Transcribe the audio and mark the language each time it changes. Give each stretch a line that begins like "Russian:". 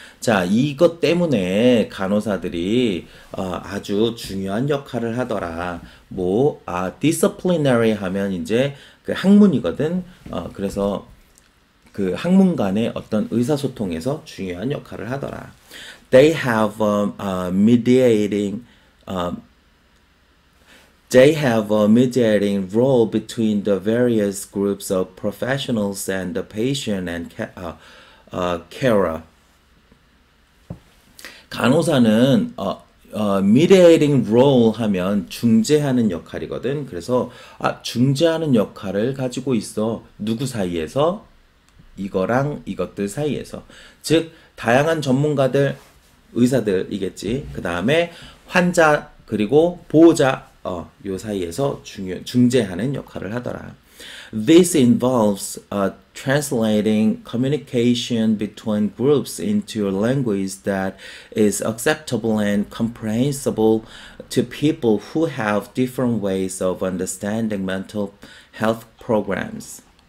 Korean: 자, 이것 때문에 간호사들이 아주 중요한 역할을 하더라. 뭐, disciplinary 하면 이제 그 학문이거든. 그래서 그 학문 간의 어떤 의사소통에서 중요한 역할을 하더라.
English: They have a mediating They have a mediating role between the various groups of professionals and the patient and carer.
Korean: 간호사는
English: mediating role
Korean: 하면 중재하는 역할이거든. 그래서 중재하는 역할을 가지고 있어. 누구 사이에서? 이거랑 이것들 사이에서. 즉, 다양한 전문가들, 의사들이겠지. 그 다음에 환자 그리고 보호자. 요 사이에서 중재하는 역할을 하더라.
English: This involves translating communication between groups into a language that is acceptable and comprehensible to people who have different ways of understanding mental health programs.